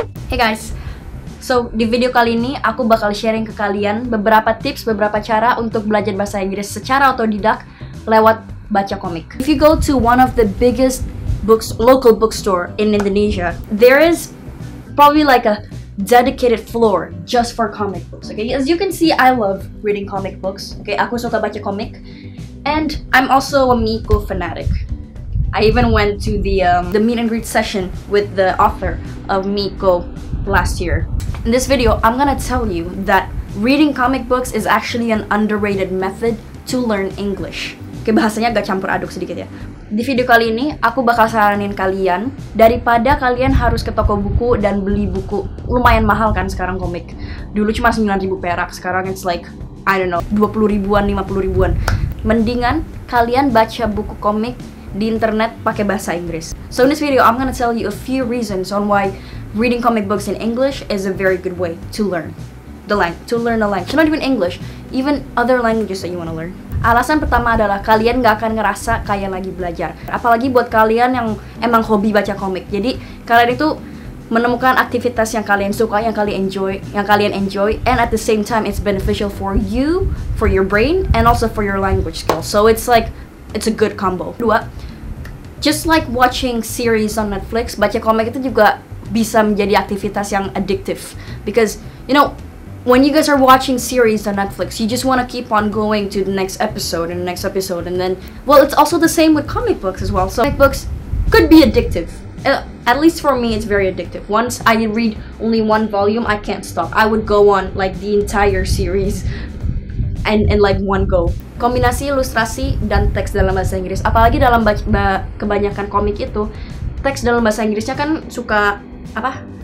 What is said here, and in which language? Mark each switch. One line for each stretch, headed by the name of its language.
Indonesian: Hey guys, so di video kali ini aku bakal sharing ke kalian beberapa tips, beberapa cara untuk belajar bahasa Inggris secara otodidak lewat baca komik.
English: If you go to one of the biggest books, local bookstore in Indonesia, there is probably like a dedicated floor just for comic books. Okay, as you can see, I love reading comic books. Okay,
Indonesian: aku suka baca komik,
English: and I'm also a Miiko fanatic. I even went to the meet and greet session with the author of Miiko last year. In this video, I'm gonna tell you that reading comic books is actually an underrated method to learn English.
Indonesian: Oke, bahasanya agak campur aduk sedikit ya. Di video kali ini, aku bakal saranin kalian, daripada kalian harus ke toko buku dan beli buku, lumayan mahal kan sekarang komik. Dulu cuma 9.000 perak, sekarang
English: it's like, I don't know,
Indonesian: 20.000-an, 50.000-an. Mendingan kalian baca buku komik di internet pakai bahasa Inggris.
English: So in this video, I'm gonna tell you a few reasons on why reading comic books in English is a very good way to learn the language, to learn a language. Not even English, even other languages that you wanna learn.
Indonesian: Alasan pertama adalah kalian gak akan ngerasa kayak lagi belajar. Apalagi buat kalian yang emang hobi baca komik. Jadi kalian itu menemukan aktivitas yang kalian suka, yang kalian enjoy,
English: and at the same time it's beneficial for you, for your brain, and also for your language skills. So it's like, it's a good combo.
Indonesian: Dua,
English: just like watching series on Netflix,
Indonesian: baca komik itu juga bisa menjadi aktivitas yang addictive.
English: Because, you know, when you guys are watching series on Netflix, you just want to keep on going to the next episode, and then, well, it's also the same with comic books as well. So comic books could be addictive. At least for me, it's very addictive. Once I read only one volume, I can't stop. I would go on like the entire series and like one go.
Indonesian: Kombinasi ilustrasi dan teks dalam bahasa Inggris, apalagi dalam kebanyakan komik itu, teks dalam bahasa Inggrisnya kan suka apa?